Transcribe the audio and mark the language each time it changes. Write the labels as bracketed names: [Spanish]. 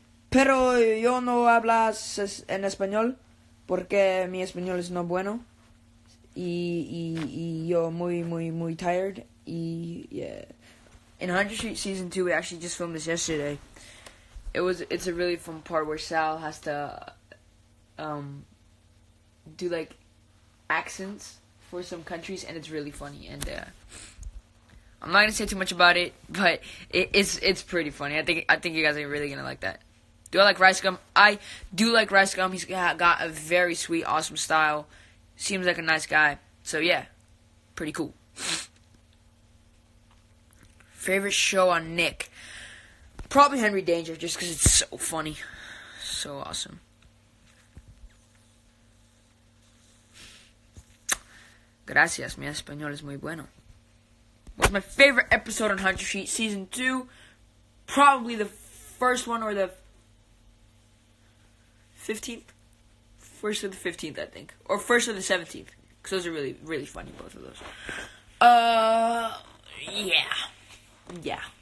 [Spanish] Pero yo no hablas en español porque mi español es no bueno. Y yo muy, muy, muy [English] tired. Yeah. In 100 Street Season 2, we actually just filmed this yesterday. It's a really fun part where Sal has to do, like, accents for some countries, and it's really funny. And I'm not going to say too much about it, but it's pretty funny. I think you guys are really going to like that. Do I like Rice Gum? I do like Rice Gum. He's got a very sweet, awesome style. Seems like a nice guy. So, yeah. Pretty cool. Favorite show on Nick? Probably Henry Danger, just because it's so funny. So awesome. [Spanish] Gracias, mi español es muy bueno. [English] What's my favorite episode on 100 Street Season 2? Probably the first one or the 15th? First or the 15th, I think. Or first or the 17th. Because those are really, really funny, both of those. Yeah. Yeah.